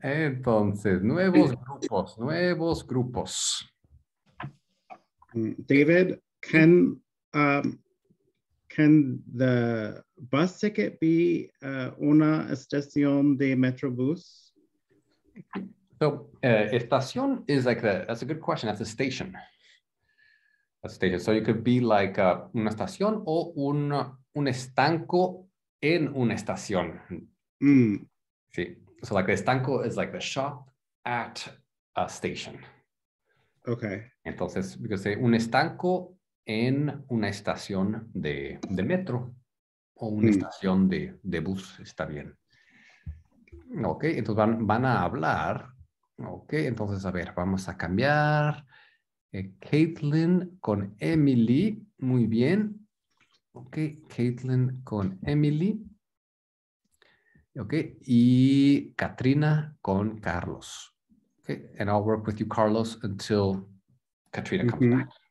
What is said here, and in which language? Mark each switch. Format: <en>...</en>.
<es>Entonces, nuevos grupos.</es> <en>David. Can can the bus ticket be</en> <es>una estación de metrobús?</es> <en>So estación is like the, that's a good question, that's a station. A station. So it could be like</en> <es>una estación o un estanco en una estación. Mm. Sí.</es> <en>So like estanco is like the shop at a station. Okay.</en> <es>Entonces,</es> <en>we could say</en> <es>un estanco en una estación de metro o una estación de bus, está bien. Okay, entonces van a hablar. Okay, entonces a ver, vamos a cambiar. Caitlin con Emily, muy bien. Okay, Caitlin con Emily. Okay, y Katrina con Carlos.</es> <en>Okay, and I'll work with you, Carlos, until Katrina comes back.</en>